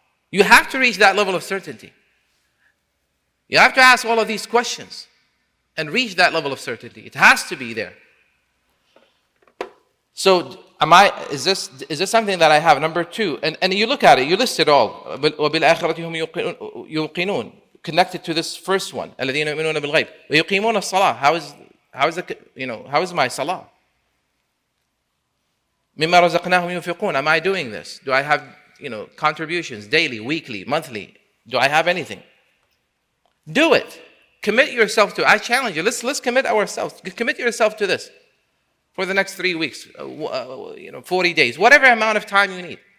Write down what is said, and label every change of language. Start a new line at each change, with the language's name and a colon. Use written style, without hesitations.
English: You have to reach that level of certainty. You have to ask all of these questions and reach that level of certainty. It has to be there. So is this something that I have? Number two, and you look at it, you list it all.
Arabic: وَبِالْآخِرَةِ هُمْ يُوقِنُونَ,
English: connected to this first one.
Arabic: الَّذِينَ يُؤْمِنُونَ بِالْغَيْبِ وَيُقِيمُونَ الصَّلَاةِ,
English: how is my salah?
Arabic: مِمَّا رَزَقْنَاهُمْ يُنْفِقُونَ,
English: am I doing this? Do I have, you know, contributions daily, weekly, monthly? Do I have anything? Do it. Commit yourself to it. I challenge you. Let's commit ourselves. Commit yourself to this for the next 3 weeks, 40 days, whatever amount of time you need.